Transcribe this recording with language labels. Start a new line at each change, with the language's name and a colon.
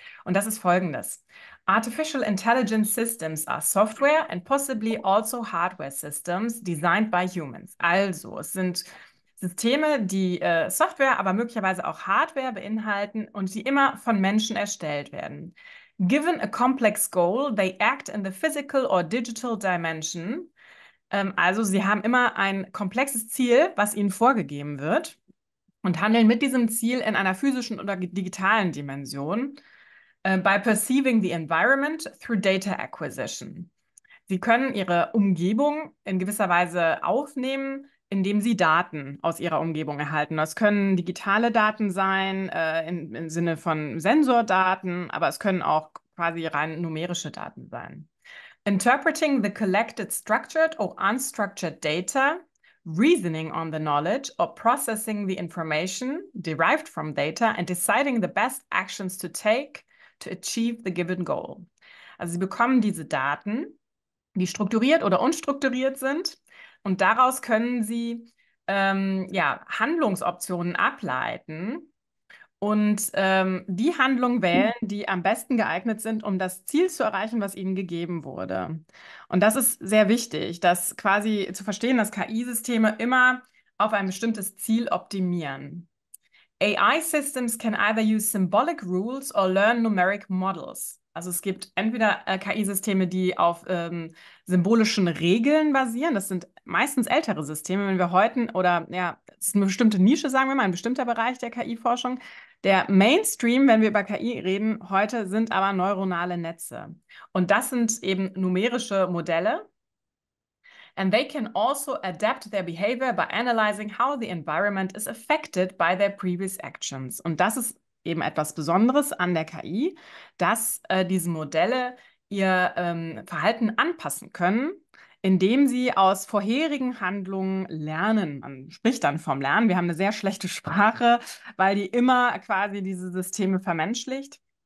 German: Und das ist folgendes.
English: Artificial Intelligence Systems are Software and possibly also Hardware Systems designed by humans.
German: Also, es sind Systeme, die Software, aber möglicherweise auch Hardware beinhalten und die immer von Menschen erstellt werden.
English: Given a complex goal, they act in the physical or digital dimension.
German: Also sie haben immer ein komplexes Ziel, was ihnen vorgegeben wird und handeln mit diesem Ziel in einer physischen oder digitalen Dimension.
English: By perceiving the environment through data acquisition.
German: Sie können ihre Umgebung in gewisser Weise aufnehmen, indem sie Daten aus ihrer Umgebung erhalten. Das können digitale Daten sein, im Sinne von Sensordaten, aber es können auch quasi rein numerische Daten sein.
English: Interpreting the collected structured or unstructured data, reasoning on the knowledge or processing the information derived from data and deciding the best actions to take to achieve the given goal.
German: Also sie bekommen diese Daten, die strukturiert oder unstrukturiert sind. Und daraus können Sie ja, Handlungsoptionen ableiten Und die Handlungen wählen, die am besten geeignet sind, um das Ziel zu erreichen, was ihnen gegeben wurde. Und das ist sehr wichtig, das quasi zu verstehen, dass KI-Systeme immer auf ein bestimmtes Ziel optimieren.
English: AI-Systems can either use symbolic rules or learn numeric models.
German: Also es gibt entweder KI-Systeme, die auf symbolischen Regeln basieren. Das sind meistens ältere Systeme. Wenn wir heute, oder ja, es ist eine bestimmte Nische, sagen wir mal, ein bestimmter Bereich der KI-Forschung. Der Mainstream, wenn wir über KI reden, heute sind aber neuronale Netze. Und das sind eben numerische Modelle.
English: And they can also adapt their behavior by analyzing how the environment is affected by their previous actions.
German: Und das ist eben etwas Besonderes an der KI, dass diese Modelle ihr Verhalten anpassen können, indem sie aus vorherigen Handlungen lernen. Man spricht dann vom Lernen. Wir haben eine sehr schlechte Sprache, weil die immer quasi diese Systeme vermenschlicht.